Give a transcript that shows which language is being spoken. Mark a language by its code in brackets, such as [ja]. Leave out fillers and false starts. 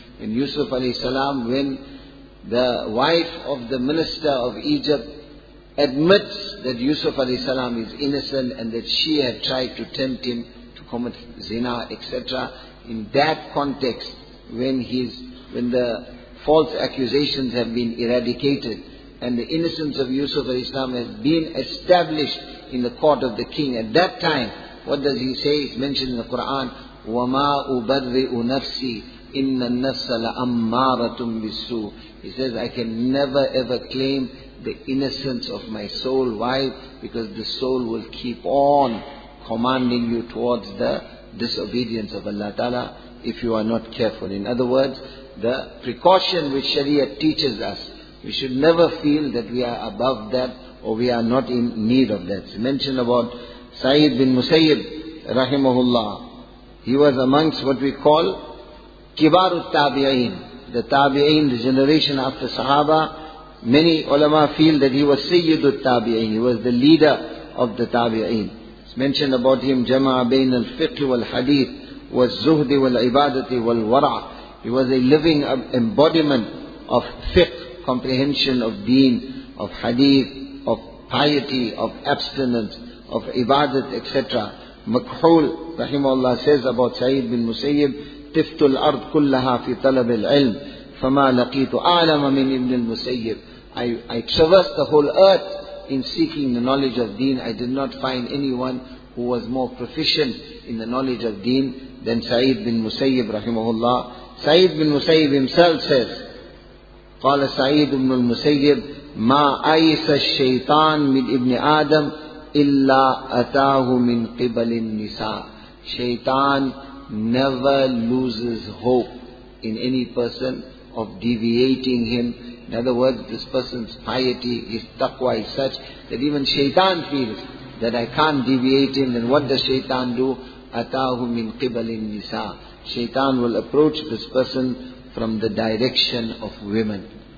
[en] In Yusuf alayhi salam, when the wife of the minister of Egypt admits that Yusuf alayhi salam is innocent and that she had tried to tempt him to commit zina, etc. In that context, when the false accusations have been eradicated and the innocence of Yusuf alayhi salam has been established in the court of the king, at that time, what does he say? It's mentioned in the Quran, [ar] وَمَا أُبَرِّئُ نَفْسِي إِنَّ النَّفْسَ لَأَمَّارَةٌ بِالسُّوءِ. [en] He says, I can never ever claim the innocence of my soul. Why? Because the soul will keep on commanding you towards the disobedience of Allah Ta'ala if you are not careful. In other words, the precaution which Sharia teaches us, we should never feel that we are above that or we are not in need of that. It's mentioned about Sa'id bin Musayyib rahimahullah. He was amongst what we call Kibarut Tabi'in, the Tabi'in, the generation after Sahaba. Many ulama feel that he was Sayyidut Tabi'in, he was the leader of the Tabi'in. It's mentioned about him, [ar] Jama'a Bain al Fiqh wal Hadith, was Zuhdi wal Ibadati wal Wara. [en] He was a living embodiment of Fiqh, comprehension of Deen, of Hadith, of piety, of abstinence, of Ibadat, etc. [ar] Makhul, rahimahullah, [en] says about [ar] Sa'id bin Musayyib, تفت الأرض كلها في طلب العلم فما لقيت أعلم من ابن المسيب. [en] I traversed the whole earth in seeking the knowledge of deen. I did not find anyone who was more proficient in the knowledge of deen than Sa'id bin Musayyib rahimahullah. [ar] Sa'id bin Musayyib [en] himself says, [ar] قال سعيد بن المسيب ما أيس الشيطان من ابن آدم إلا أتاه من قبل النساء. [en] Shaitan never loses hope. in any person of deviating him. In other words, this person's piety, his taqwa is such that even shaitan feels that I can't deviate him. Then what does shaitan do? [ar] Atahu min qibalin nisa. [en] Shaitan will approach this person from the direction of women.